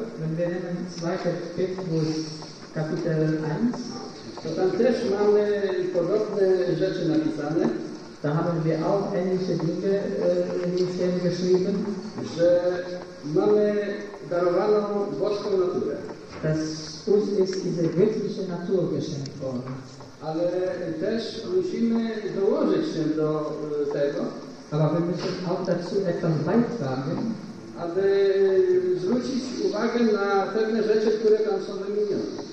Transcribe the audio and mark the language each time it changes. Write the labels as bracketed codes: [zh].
[de] wenn wir nehmen 2. Petrus, Kapitel 1, [pl] to tam też mamy podobne rzeczy napisane. [de] Da haben wir auch ähnliche Dinge geschrieben, [pl] że mamy darowaną boską naturę. [de] Dass uns ist diese göttliche Natur geschenkt worden. [pl] Ale też musimy dołożyć się do tego, [de] aber wir müssen auch dazu etwas beitragen, [pl] aby zwrócić uwagę na pewne rzeczy, które tam są wymienione.